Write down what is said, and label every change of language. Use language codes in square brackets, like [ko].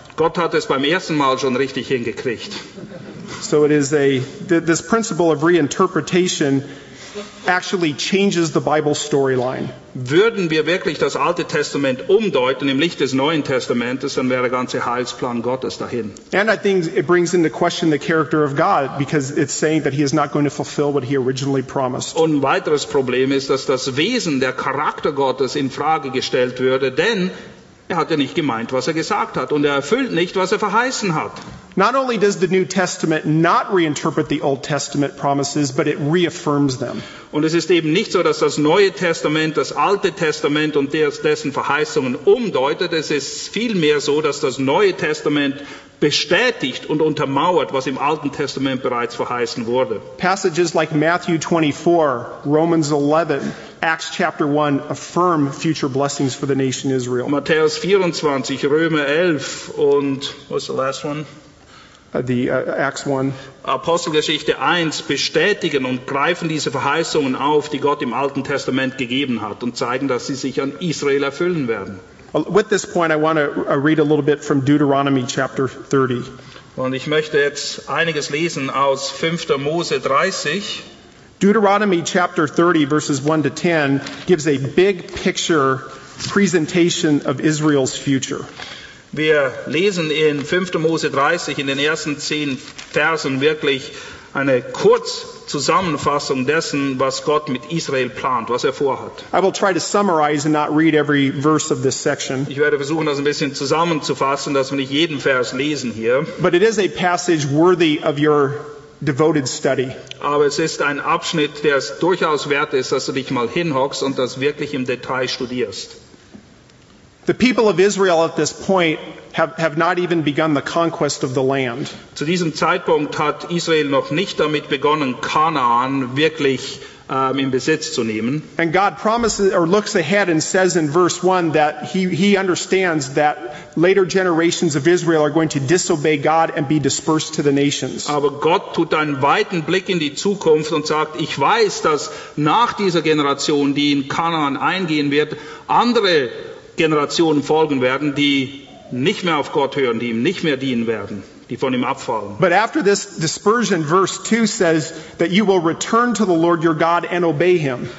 [de] Gott hat es beim ersten Mal schon richtig hingekriegt. [en] So it is this principle of reinterpretation actually changes the Bible storyline. [de] Würden wir wirklich das Alte Testament umdeuten im Licht des Neuen Testamentes, dann wäre der ganze Heilsplan Gottes dahin. [en] And I think it brings into question the character of God, because it's saying that he is not going to fulfill what he originally promised. [de] Und ein weiteres Problem ist, dass das Wesen, der Charakter Gottes in Frage gestellt würde, denn er hat ja nicht gemeint, was er gesagt hat, und er erfüllt nicht, was er verheißen hat. [en] Not only does the New Testament not reinterpret the Old Testament promises, but it reaffirms them. [de] Und es ist eben nicht so, dass das Neue Testament das Alte Testament und dessen Verheißungen umdeutet. Es ist vielmehr so, dass das Neue Testament bestätigt und untermauert, was im Alten Testament bereits verheißen wurde. [en] Passages like Matthew 24, Romans 11, Acts chapter 1 affirm future blessings for the nation Israel. [de] Matthäus 24, Römer 11 und [en] what's the last one? Acts 1. [de] Apostelgeschichte 1 bestätigen und greifen diese Verheißungen auf, die Gott im Alten Testament gegeben hat, und zeigen, dass sie sich an Israel erfüllen werden. [en] With this point, I want to read a little bit from Deuteronomy chapter 30. [de] Und ich möchte jetzt einiges lesen aus 5. Mose 30. [en] Deuteronomy chapter 30, verses 1 to 10, gives a big picture presentation of Israel's future. [de] Wir lesen in 5. Mose 30 in den ersten 10 Versen wirklich eine Kurzzusammenfassung dessen, was Gott mit Israel plant, was er vorhat. [en] I will try to summarize and not read every verse of this section. [de] Ich werde versuchen, das ein bisschen zusammenzufassen, dass wir nicht jeden Vers lesen hier. [en] But it is a passage worthy of your devoted study. [de] Aber es ist ein Abschnitt, der es durchaus wert ist, dass du dich mal hinhockst und das wirklich im Detail studierst. [en] The people of Israel at this point have not even begun the conquest of the land. [de] Zu diesem Zeitpunkt hat Israel noch nicht damit begonnen, Kanaan wirklich in Besitz zu nehmen. [en] And God promises or looks ahead and says in verse 1 that he understands that later generations of Israel are going to disobey God and be dispersed to the nations. [de] Aber Gott tut einen weiten Blick in die Zukunft und sagt, ich weiß, dass nach dieser Generation, die in Kanaan eingehen wird, andere Generationen folgen werden, die nicht mehr auf Gott hören, die ihm nicht mehr dienen werden, die von ihm abfallen. [en] But after this dispersion, verse 2 says that you will return to the Lord your God and obey him.